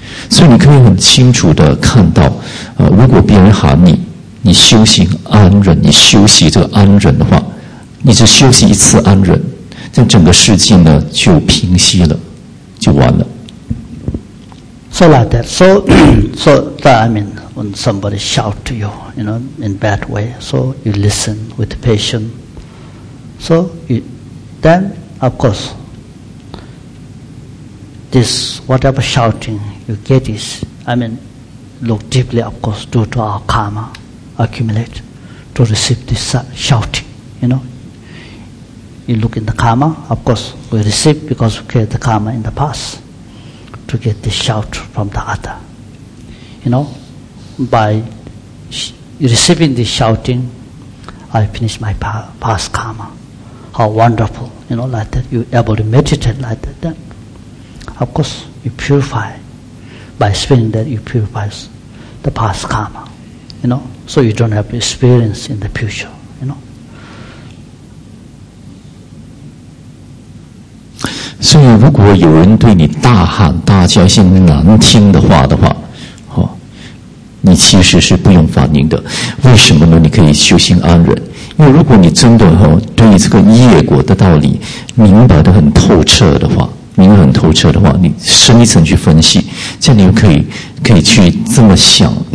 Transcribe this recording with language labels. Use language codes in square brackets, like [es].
[zh] 所以你可以很清楚的看到，如果别人喊你，你修行安忍，你修习这个安忍的话，你只修习一次安忍，这整个事情呢就平息了，就完了。 [en] So like that. So that I mean. When somebody shout to you, you know, in bad way, so you listen with patience. So, then, of course, this whatever shouting you get is, I mean, look deeply, of course, due to our karma accumulate to receive this shouting, you know. You look in the karma, of course, we receive because we create the karma in the past to get this shout from the other, you know. By receiving this shouting, I finish my past karma. How wonderful, you know, like that. You're able to meditate like that. Then, of course, you purify. By spending that, you purify the past karma, you know, so you don't have experience in the future, you know. So, if someone shouts at you, if you [zh] 你其实是不用反应的，为什么呢？你可以修行安忍，因为如果你真的对这个业果的道理明白得很透彻的话，明白很透彻的话，你深一层去分析，这样你就可以去这么想，